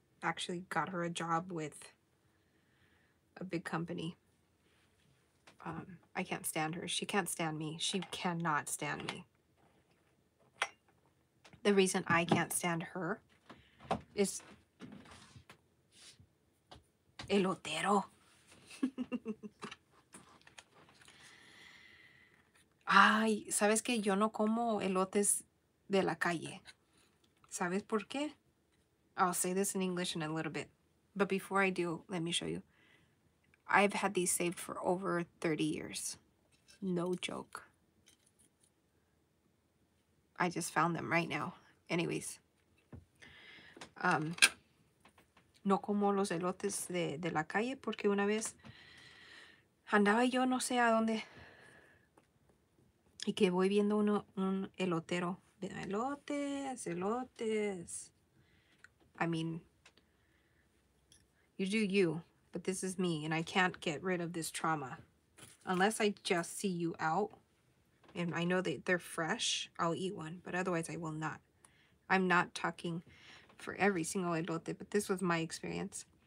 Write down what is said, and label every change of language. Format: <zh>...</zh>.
<en>Actually got her a job with a big company. I can't stand her. She can't stand me. She cannot stand me. The reason I can't stand her is El Otero.</en> <es>Ay, ¿sabes que yo no como elotes de la calle? ¿Sabes por qué?</es> <en>I'll say this in English in a little bit. But before I do, let me show you. I've had these saved for over 30 years. No joke. I just found them right now.</en> <es>Anyways, no como los elotes de la calle porque una vez andaba yo no sé a dónde y que voy viendo un elotero. Elotes.</es> <en>I mean, you do you, but this is me and I can't get rid of this trauma. Unless I just see you out and I know that they're fresh, I'll eat one, but otherwise I will not. I'm not talking for every single elote, but this was my experience.</en>